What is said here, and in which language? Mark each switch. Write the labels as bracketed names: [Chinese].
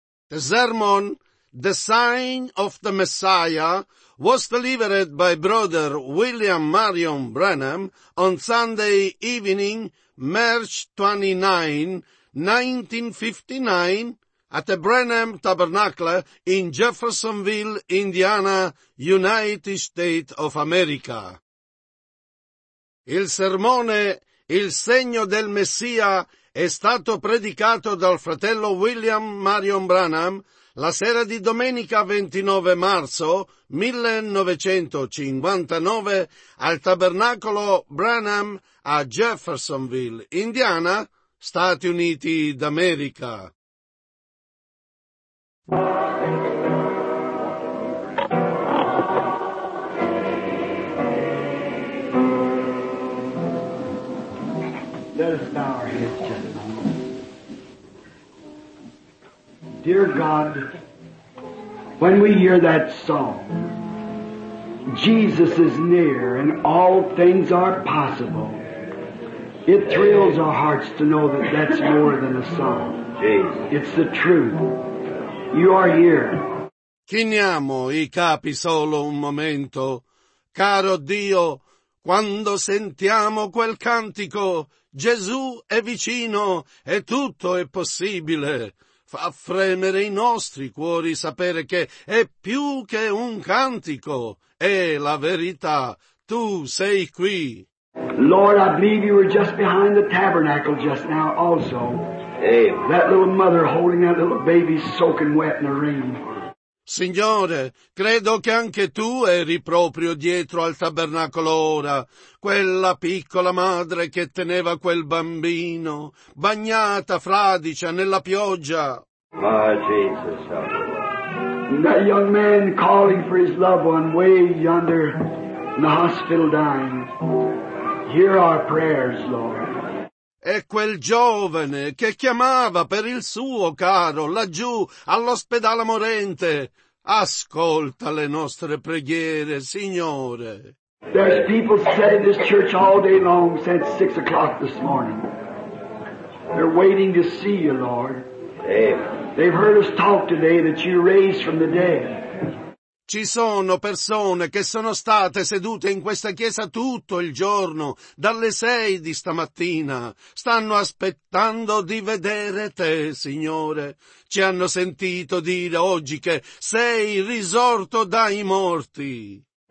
[English] The sermon, The Sign of the Messiah, was delivered by Brother William Marion Branham on Sunday evening, March 29, 1959, at the Branham Tabernacle in Jeffersonville, Indiana, United States of America. [Italian] Il sermone Il segno del Messia è stato predicato dal fratello William Marion Branham la sera di domenica 29 marzo 1959 al Tabernacolo Branham a Jeffersonville, Indiana, Stati Uniti d'America. [English] Let us bow our heads, gentlemen. Dear God, when we hear that song, Jesus is near and all things are possible, it thrills our hearts to know that that's more than a song. It's the truth. You are here. [Italian] Chiniamo i capi solo un momento. Caro Dio, quando sentiamo quel cantico, Gesù è vicino e tutto è possibile. Fa fremere i nostri cuori sapere che è più che un cantico, è la verità. Tu sei qui. [English] Lord, I believe you were just behind the tabernacle just now also. Hey. That little mother holding that little baby soaking wet in the rain. [Italian] Signore, credo che anche tu eri proprio dietro al tabernacolo ora, quella piccola madre che teneva quel bambino, bagnata fradicia nella pioggia. [English] My Jesus. That young man calling for his loved one way yonder in the hospital dying. Hear our prayers, Lord. [Italian] E quel giovane che chiamava per il suo caro laggiù all'ospedale morente. Ascolta le nostre preghiere, Signore. [English] There's people sitting in this church all day long since 6 o'clock this morning. They're waiting to see you, Lord. They've heard us talk today that you raised from the dead. [Italian] Ci sono persone che sono state sedute in questa chiesa tutto il giorno, dalle 6 di stamattina. Stanno aspettando di vedere te, Signore. Ci hanno sentito dire oggi che sei risorto dai morti.